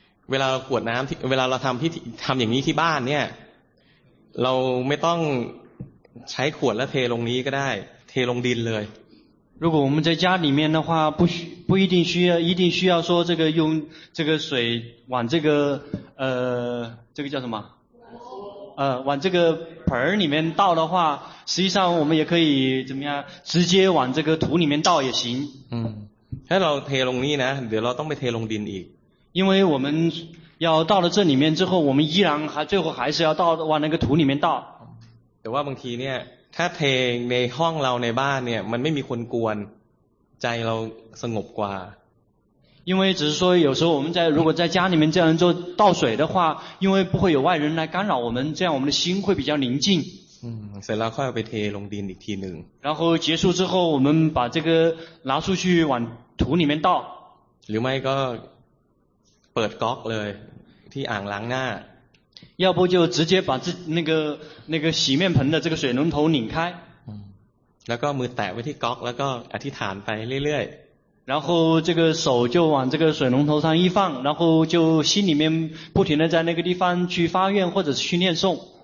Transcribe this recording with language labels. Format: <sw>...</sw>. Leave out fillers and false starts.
<th>เวลาเรากวดน้ำเวลาเราทำอย่างนี้ที่บ้านเนี่ยเราไม่ต้องใช้ขวดแล้วเทลงนี้ก็ได้เทลงดินเลย</th> <zh>如果我们在家里面的话不一定需要一定需要说这个用这个水往这个这个叫什么往这个盆里面倒的话实际上我们也可以怎么样直接往这个土里面倒也行</zh> <th>ถ้าเราเทลงนี่นะเดี๋ยวเราต้องไปเทลงดินอีก</th> <zh>因为我们要到了这里面之后我们依然还最后还是要倒往那个土里面倒</zh> <th>แต่ว่าบางทีเนี่ยถ้าเพลงในห้องเราในบ้านเนี่ยมันไม่มีคนกวนใจเราสงบกว่า</th> <zh>因为只是说有时候我们在如果在家里面这样做倒水的话因为不会有外人来干扰我们这样我们的心会比较宁静</zh> <th>เสร็จแล้วค่อยไปเทลงดินอีกทีหนึ่ง</th> <zh>然后结束之后我们把这个拿出去往土里面倒</zh> <th>หรือไม่ก็เปิดก๊อกเลยที่อ่างล้างหน้า</th> <zh>要不就直接把那个洗面盆的这个水龙头拧开</zh> <th>แล้วก็มือแตะไว้ที่ก๊อกแล้วก็อธิษฐานไปเรื่อย</th> <zh>ๆ然后这个手就往这个水龙头上一放然后就心里面不停的在那个地方去发愿或者是去念诵</zh>